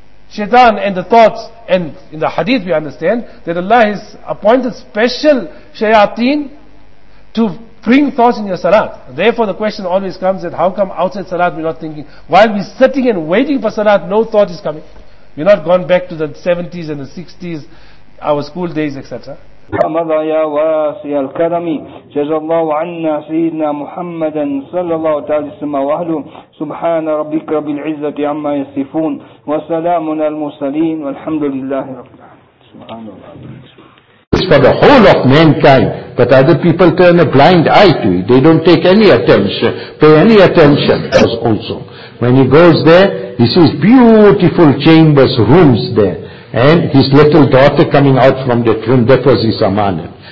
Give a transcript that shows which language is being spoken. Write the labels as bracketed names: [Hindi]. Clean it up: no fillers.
[English] Shaitan and the thoughts, and in the hadith we understand, that Allah has appointed special shayateen to bring thoughts in your salat. Therefore the question always comes that how come outside salat we're not thinking? While we're sitting and waiting for salat, no thought is coming. We're not gone back to the 70s and the 60s, our school days, etc. [Arabic] مضى يا واسع الكرم جزا الله عنا سيدنا محمدا صلى الله عليه وسلم واهله سبحان ربك رب العزة عما يصفون وسلام على المرسلين والحمد لله رب العالمين. [English] It's for the whole of mankind, but other people turn a blind eye to it. They don't take any attention, pay any attention to us also. When he goes there, he sees beautiful chambers, rooms there. And his little daughter coming out from that room, that was his amana.